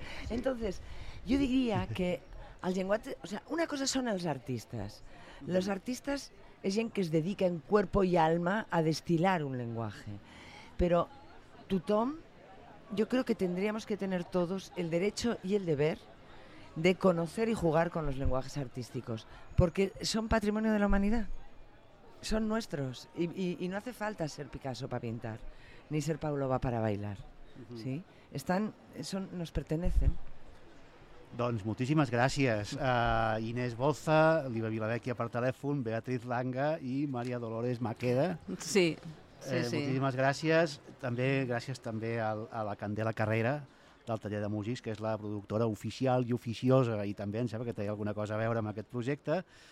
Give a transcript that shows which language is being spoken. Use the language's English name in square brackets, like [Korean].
[Spanish] Entonces, yo diría que el llenguatge, o sea, [Catalan] una cosa són els artistes. [Spanish] Los artistas es [Catalan] gent que es dedica [Spanish] en cuerpo y alma a destilar un lenguaje. Pero [Catalan] tothom, [Spanish] yo creo que tendríamos que tener todos el derecho y el deber de conocer y jugar con los lenguajes artísticos, porque son patrimonio de la humanidad, son nuestros, y no hace falta ser Picasso para pintar, ni ser Pavlova para bailar, ¿sí? Nos pertenecen. [Catalan] Doncs moltíssimes gràcies a Inés Boza, Liva Viladecchia per telèfon, Beatriz Langa i Maria Dolores Maqueda. Sí. Sí, sí. Moltíssimes gràcies. També gràcies també a la Candela Carrera del Taller de Músics, que és la productora oficial i oficiosa i també em sembla que té alguna cosa a veure amb aquest projecte.